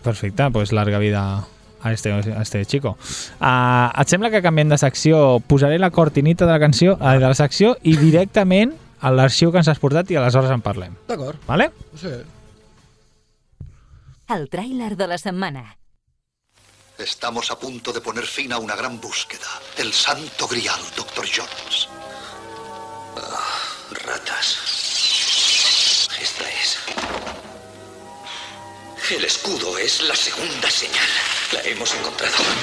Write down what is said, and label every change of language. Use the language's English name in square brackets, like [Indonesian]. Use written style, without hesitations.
[Catalan] Perfecte, doncs [Spanish] pues larga vida a este chico. [Catalan] Et sembla que canviem de secció? Posaré la cortinita de la canció, de la secció, i directament a l'arxiu que ens has portat, i aleshores en parlem. D'acord. Vale? Sí. El tràiler de la setmana. [Spanish] Estamos a punto de poner fin a una gran búsqueda. El santo grial, Dr. Jones. Ratas. Esta es... El escudo es la segunda señal. La hemos encontrado.